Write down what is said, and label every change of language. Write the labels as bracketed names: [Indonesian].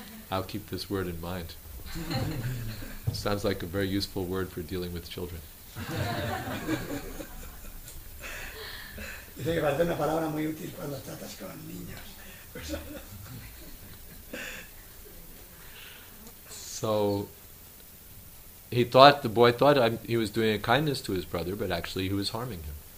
[English] I'll keep this word in mind. Sounds like a very useful word for dealing with children. [Spanish] Dice que parece una palabra muy útil cuando tratas con niños. [English] So he thought, the boy thought he was doing a kindness to his brother, but actually he was harming him.